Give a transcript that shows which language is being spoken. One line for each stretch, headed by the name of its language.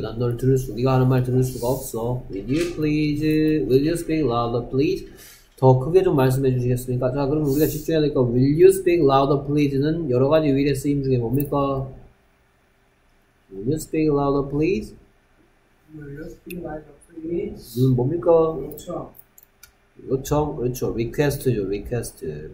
Korean: 난 너를 들을 수, 네가 하는 말 들을 수가 없어.
English: Will you please, will you speak louder please?
Korean: 더 크게 좀 말씀해 주시겠습니까? 자, 그럼 우리가 집중해야 될 거,
English: will you speak louder please
Korean: 는 여러 가지 위례 쓰임 중에 뭡니까?
English: Will you speak louder please? Will you speak louder please?
Korean: 이건 뭡니까? 그렇죠. 요청, 그렇죠. request죠, request.